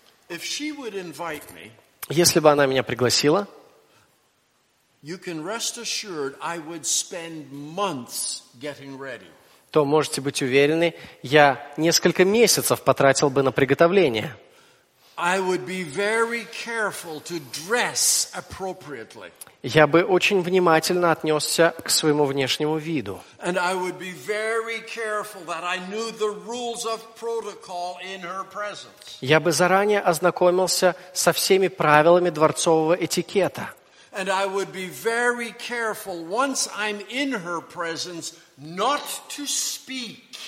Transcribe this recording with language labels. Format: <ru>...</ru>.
<ru>Если бы она меня пригласила, то можете быть уверены, я несколько месяцев потратил бы на приготовление.</ru> <en>I would be very careful to dress appropriately.</en> <ru>Я бы очень внимательно отнесся к своему внешнему виду.</ru> <en>And I would be very careful that I knew the rules of protocol in her presence.</en> <ru>Я бы заранее ознакомился со всеми правилами дворцового этикета.</ru> <en>And I would be very careful once I'm in her presence not to speak.</en>